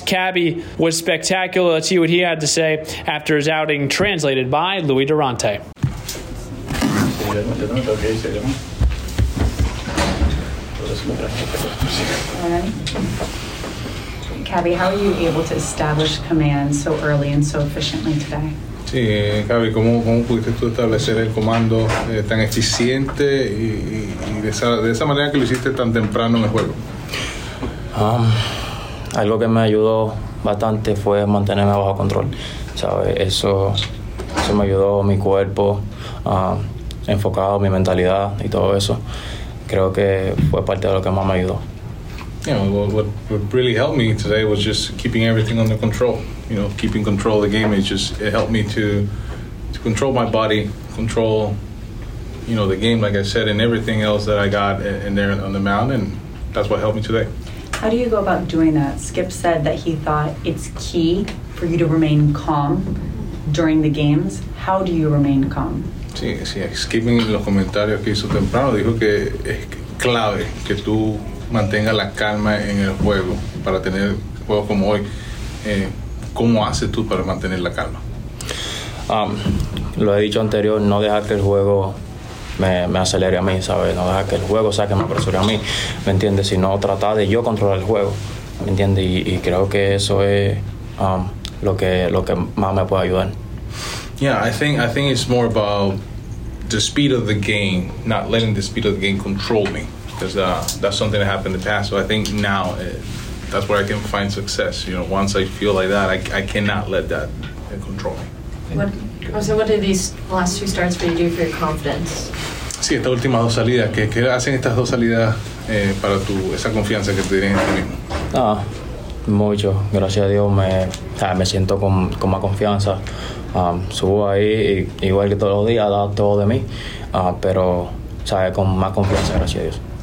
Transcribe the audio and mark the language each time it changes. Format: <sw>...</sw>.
<en>Cabby was spectacular. Let's see what he had to say after his outing, translated by Louis Durante. Cabby, how are you able to establish command so early and so efficiently today?</en> <es>Sí, Gaby, ¿cómo pudiste tú establecer el comando tan eficiente y de esa manera que lo hiciste tan temprano en el juego? Algo que me ayudó bastante fue mantenerme bajo control, ¿sabes? Eso me ayudó mi cuerpo, enfocado, mi mentalidad y todo eso. creo que fue parte de lo que más me ayudó.</es> <en>You know, what really helped me today was just keeping everything under control. You know, keeping control of the game, it helped me to control my body, control, you know, the game, like I said, and everything else that I got in there on the mound, and that's what helped me today. How do you go about doing that? Skip said that he thought it's key for you to remain calm during the games. How do you remain calm?</en> <es>Sí, skipping los comentarios que hizo temprano, dijo que es clave que tú mantenga la calma en el juego para tener juegos como hoy. ¿Cómo haces tú para mantener la calma? Lo he dicho anterior, no dejar que el juego me acelere a mí, ¿sabes? No dejar que el juego sea que me apresure a mí, ¿me entiendes? Sino tratar de yo controlar el juego, ¿me entiendes? Y creo que eso es lo que más me puede ayudar.</es> <en>Yeah, I think it's more about the speed of the game, not letting the speed of the game control me. Because that's something that happened in the past. So I think now that's where I can find success. You know, once I feel like that, I cannot let that control me. What did these last two starts for you do for your confidence?</en> <es>Sí, estas últimas dos salidas. ¿Qué hacen estas dos salidas para tu esa confianza que tienes en ti mismo? Ah, mucho. Gracias a Dios me siento con más confianza. Subo ahí igual que todos los días, da todo de mí, pero sabe con más confianza, gracias a Dios.</es>